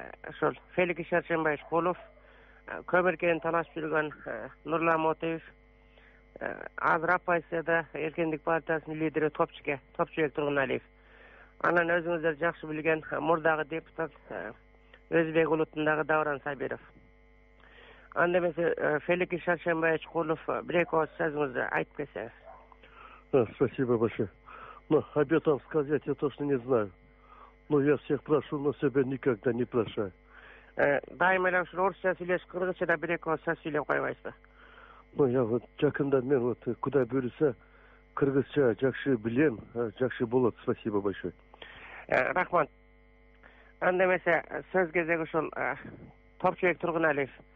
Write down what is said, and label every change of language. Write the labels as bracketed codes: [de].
[ky] Ошол Феликс Шаршенбаев Кулов, көмүркенин талашып жүргөн Нурлан Мотеев, азыр оппозицияда Эркиндик партиясынын лидери Топчубек Тургуналиев, анан өзүңүздөр жакшы билген мурдагы депутат Өзбек улутундагы Дауран Сабиров. Анда эмесе Феликс Шаршенбаев Кулов, бир эки ооз сөзүңүздү айтып кетсеңиз. [ru] Спасибо большое. Ну, об этом сказать я точно не знаю. Но я всех прошу, но себя никогда не прошаю. [ky] Дайм эле ушул орусча сүйлөш, кыргызча да бир эки ооз сөз сүйлөп койбойсузбу? Ну я вот жакында мен вот кудай буюрса кыргызча жакшы билем, жакшы болот. [ru] Спасибо большое. [ky] Рахмат. Анда эмесе сөз кезеги ушул Топчубек Тургуналиев.